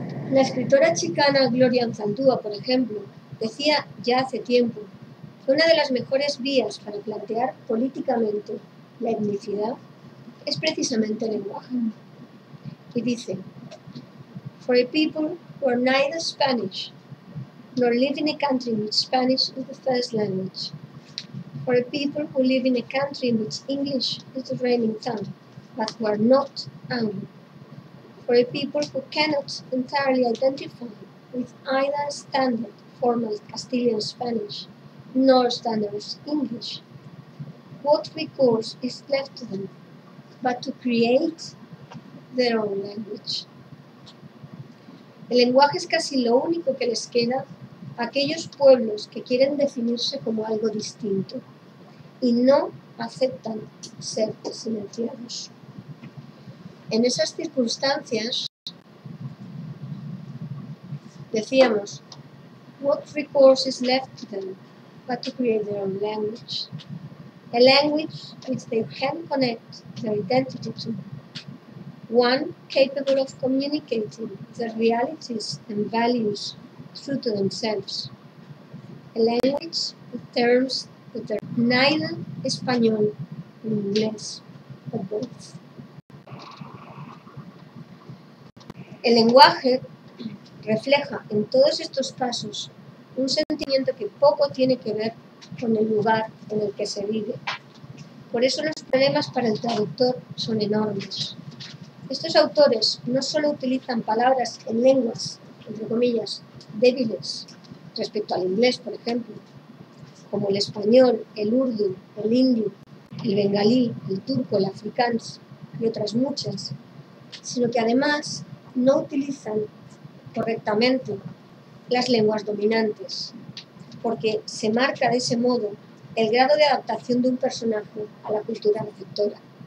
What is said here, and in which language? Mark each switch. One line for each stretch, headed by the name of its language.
Spanish: La escritora chicana Gloria Anzaldúa, por ejemplo, decía ya hace tiempo que una de las mejores vías para plantear políticamente la etnicidad es precisamente el lenguaje.
English: Y dice: "For a people who are neither Spanish nor live in a country in which Spanish is the first language, for a people who live in a country in which English is the reigning tongue, but who are not Anglo, for a people who cannot entirely identify with either standard formal Castilian Spanish nor standard English, what recourse is left to them but to create their own language?"
Spanish: El lenguaje es casi lo único que les queda a aquellos pueblos que quieren definirse como algo distinto y no aceptan ser silenciados. En esas circunstancias, decíamos,
English: what recourse is left to them but to create their own language? A language which they can connect their identity to, one capable of communicating their realities and values through to themselves, a language with terms that are neither español nor inglés, but both.
Spanish: El lenguaje refleja en todos estos pasos un sentimiento que poco tiene que ver con el lugar en el que se vive. Por eso los problemas para el traductor son enormes. Estos autores no solo utilizan palabras en lenguas, entre comillas, débiles, respecto al inglés, por ejemplo, como el español, el urdu, el indio, el bengalí, el turco, el afrikaans y otras muchas, sino que además no utilizan correctamente las lenguas dominantes, porque se marca de ese modo el grado de adaptación de un personaje a la cultura receptora.